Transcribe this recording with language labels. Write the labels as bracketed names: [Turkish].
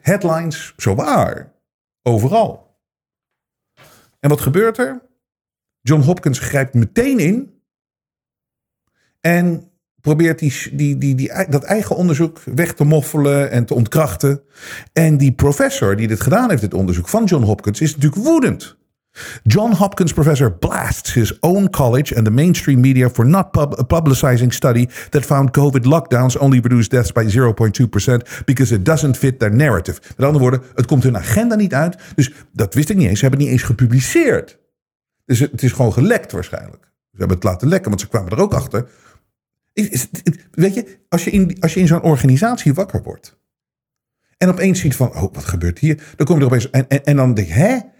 [Dutch] Headlines, zowaar. Overal. En wat gebeurt er? John Hopkins grijpt meteen in. En probeert dat eigen onderzoek weg te moffelen en te ontkrachten. En die professor die dit gedaan heeft, dit onderzoek van John Hopkins, is natuurlijk woedend. [English] John Hopkins professor blasts his own college and the mainstream media for not publicizing study that found COVID lockdowns only reduced deaths by 0.2% because it doesn't fit their narrative. [Dutch] Met andere woorden, het komt hun agenda niet uit. Dus dat wist ik niet eens. Ze hebben het niet eens gepubliceerd. Dus het is gewoon gelekt waarschijnlijk. Ze hebben het laten lekken, want ze kwamen er ook achter. Weet je, als je in zo'n organisatie wakker wordt. En opeens ziet van, oh, wat gebeurt hier? Dan kom je er opeens en dan denk je, hè?